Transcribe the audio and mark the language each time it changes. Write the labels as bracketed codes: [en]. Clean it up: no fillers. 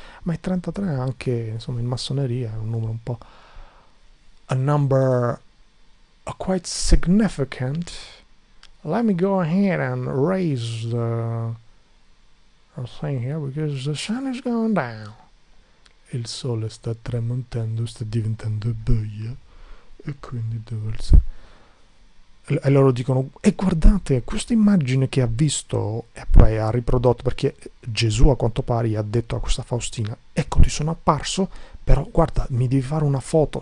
[it] Ma il 33 è anche, insomma, in massoneria è un numero un po', [en] a number quite significant. Let me go ahead and raise the thing here, because the sun is going down. [it] Il sole sta tramontando, sta diventando buio, e quindi devo alzare. E loro dicono: e guardate, questa immagine che ha visto, e poi ha riprodotto, perché Gesù a quanto pare ha detto a questa Faustina: ecco, ti sono apparso, però guarda, mi devi fare una foto.